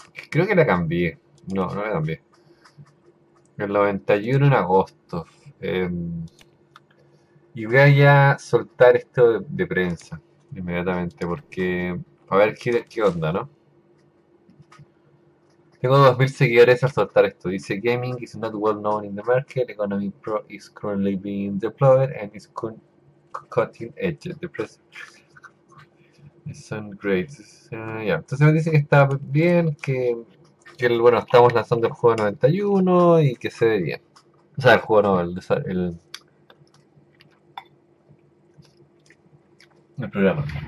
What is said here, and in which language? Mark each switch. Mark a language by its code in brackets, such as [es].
[es] Creo que la cambié. No la cambié. El 91 en agosto. Y voy a soltar esto de prensa inmediatamente porque a ver qué onda, ¿no? Tengo 2.000 seguidores al soltar esto. [en] Dice: Gaming is not well known in the market. Economy Pro is currently being deployed and is cutting edge. The press son great. [es] Entonces me dice que está bien, que bueno, estamos lanzando el juego 91 y que se ve bien. O sea, el juego no, el programa.